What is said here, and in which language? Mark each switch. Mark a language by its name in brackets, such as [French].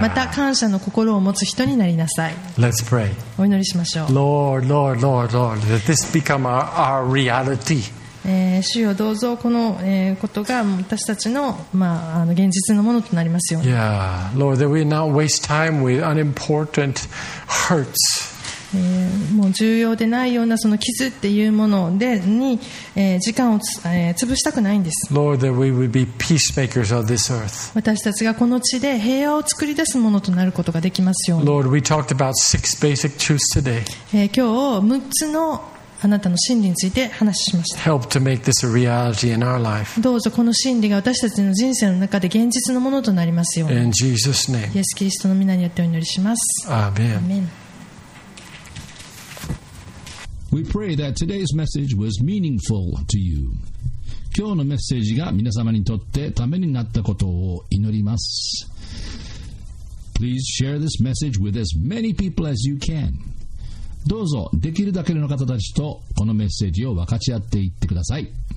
[Japanese] また感謝の心を持つ人になりなさい。 [English] Let's pray. [Japanese] お祈りしましょう。 [English] Lord, Lord, Lord, Lord, let this become our reality. [Japanese] 主よどうぞこの、ことが私たち の,、まあ、あの現実のものとなりますように。 [English] Yeah, Lord, that we not waste time with unimportant hurts. [Japanese] もう重要でないようなその傷っていうものでに、時間を、潰したくないんです。 [English] Lord, that we would be peacemakers of this earth. [Japanese] 私たちがこの地で平和を作り出すものとなることができますように。 [English] Lord, we talked about six basic truths today. [Japanese] 今日6つのあなたの真理について話しました。 [English] Help to make this a reality in our life. [Japanese] どうぞこの真理が私たちの人生の中で現実のものとなりますように。 [English] In Jesus name. [Japanese] イエス・キリストの御名によってお祈りします。 [English] Amen. Amen. We pray that today's message was meaningful to you. [Japanese] 今日のメッセージが皆様にとってためになったことを祈ります。 [English] Please share this message with as many people as you can. [Japanese] どうぞできるだけの方たちとこのメッセージを分かち合っていってください。